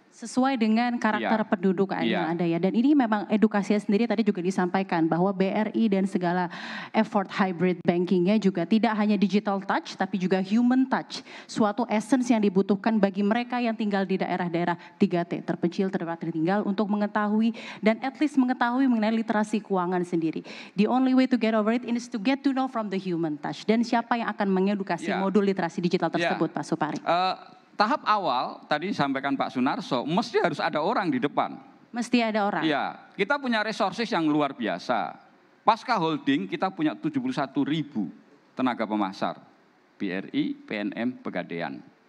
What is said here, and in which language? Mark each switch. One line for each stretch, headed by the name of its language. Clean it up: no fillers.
Indonesian: Sesuai dengan karakter ya. Penduduk ya. Yang ada ya. Dan ini memang edukasinya sendiri tadi juga disampaikan bahwa BRI dan segala effort hybrid bankingnya juga tidak hanya digital touch tapi juga human touch. Suatu essence yang dibutuhkan bagi mereka yang tinggal di daerah-daerah 3T. Terpencil, terdekat, tertinggal untuk mengetahui dan at least mengetahui mengenai literasi keuangan sendiri.
English: The only way to get over it is to get to know from the human touch.
Indonesian: Dan siapa yang akan mengedukasi ya. Modul literasi digital tersebut ya. Pak Supari? Tahap awal tadi sampaikan Pak Sunarso, mesti harus ada orang di depan. Mesti ada orang. Iya, kita punya resources yang luar biasa. Pasca Holding kita punya 71.000 tenaga pemasar BRI, PNM, Pegadaian.